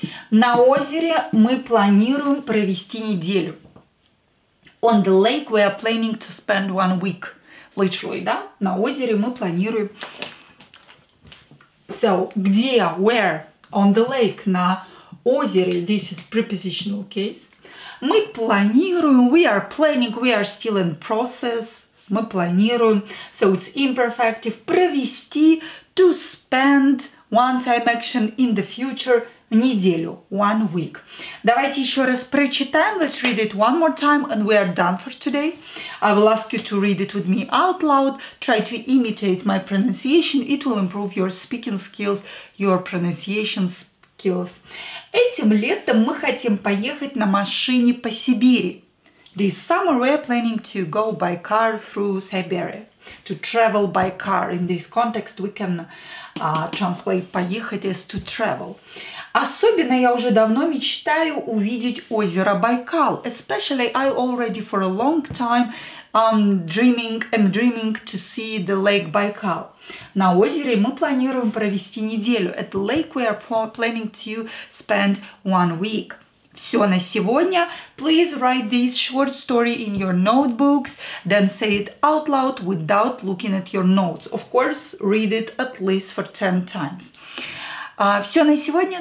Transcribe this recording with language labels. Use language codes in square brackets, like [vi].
[ru] На озере мы планируем провести неделю. [en] On the lake we are planning to spend one week. Literally, [ru] да? На озере мы планируем. So, где, [en] where? On the lake, [ru] на озере. [en] This is prepositional case. [ru] Мы планируем, [en] we are planning, we are still in process. [ru] Мы планируем. [en] So, it's imperfective. [ru] Провести, [en] to spend, one time action in the future. [ru] Неделю, [en] one week. [ru] Давайте еще раз прочитаем. [en] Let's read it one more time and we are done for today. I will ask you to read it with me out loud. Try to imitate my pronunciation. It will improve your speaking skills, your pronunciation skills. [ru] Этим летом мы хотим поехать на машине по Сибири. [en] This summer we are planning to go by car through Siberia. To travel by car. In this context we can translate поехать as to travel. [ru] Особенно я уже давно мечтаю увидеть озеро Байкал. [en] Especially I already for a long time am dreaming to see the lake Baikal. [ru] На озере мы планируем провести неделю. [en] At the lake we are planning to spend one week. [ru] Все на сегодня. [en] Please write this short story in your notebooks, then say it out loud without looking at your notes. Of course, read it at least for 10 times. [ru] Все на сегодня.